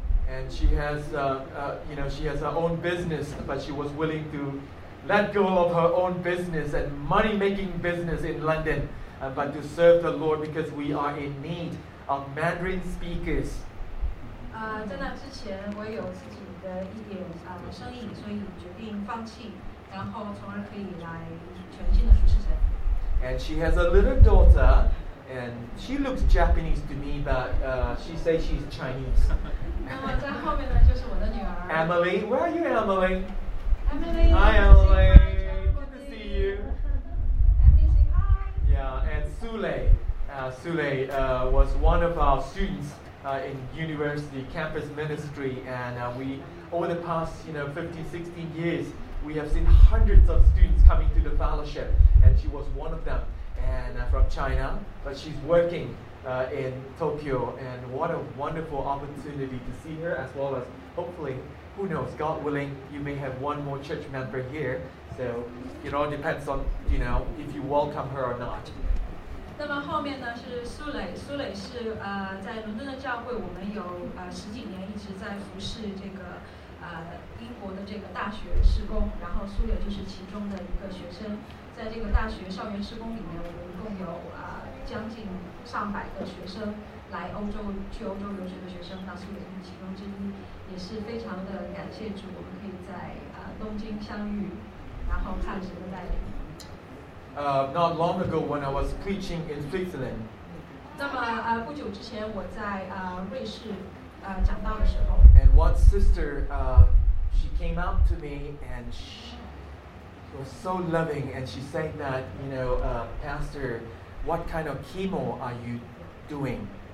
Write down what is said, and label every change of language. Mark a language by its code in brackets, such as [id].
[en] And she has, you know, she has her own business, but she was willing to let go of her own business and money-making business in London, but to serve the Lord because we are in need of Mandarin speakers. [zh] 在那之前我也有自己的一点生意，所以决定放弃，然后从而可以来全新的服侍神。 [en] And she has a little daughter and she looks Japanese to me, but she says she's Chinese. [zh] 然后在后面呢就是我的女儿 [en] Emily. Where are you, Emily? Emily, hi, Emily. Hi, Emily. Good to see you. Emily, say hi. Yeah, and Sule. Sule was one of our students in university campus ministry, and we, over the past, you know, 15, 16 years, we have seen hundreds of students coming to the fellowship, and she was one of them, and from China, but she's working in Tokyo, and what a wonderful opportunity to see her, as well as hopefully, who knows, God willing, you may have one more church member here, so it all depends on, you know, if you welcome her or not. [zh] 那么后面呢是苏磊，苏磊是在伦敦的教会，我们有十几年一直在服侍这个英国的这个大学事工，然后苏磊就是其中的一个学生，在这个大学校园事工里面，我们一共有将近上百个学生来欧洲，去欧洲留学的学生，那苏磊是其中之一，也是非常的感谢主，我们可以在东京相遇，然后看神的带领。 [en] Not long ago when I was preaching in Switzerland. [zh] 那么不久之前我在瑞士讲道的时候。 [en] And one sister, she came up to me and she was so loving and she said that, you know, Pastor, what kind of chemo are you doing?